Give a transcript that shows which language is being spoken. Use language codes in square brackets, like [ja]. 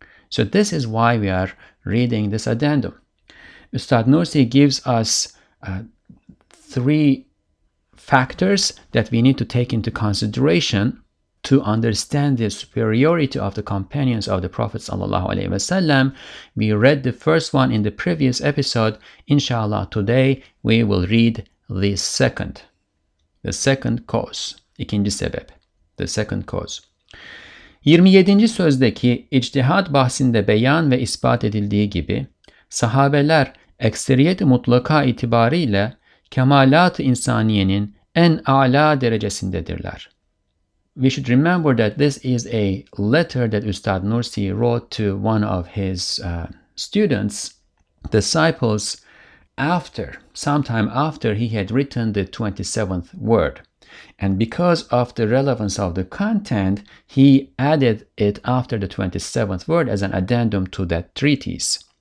[en] So this is why we are reading this addendum. Ustad Nursi gives us three factors that we need to take into consideration to understand the superiority of the companions of the Prophet sallallahu alaihi wasallam. We read the first one in the previous episode. Inshallah, today we will read the second cause. 27. [tr] Sözdeki içtihat bahsinde beyan ve ispat edildiği gibi sahabeler ekseriyeti mutlaka itibariyle kemalat-ı insaniyenin en âlâ derecesindedirler. [en] We should remember that this is a letter that Ustad Nursi wrote to one of his students, disciples, sometime after he had written the 27th word. And because of the relevance of the content, he added it after the 27th word as an addendum to that treatise.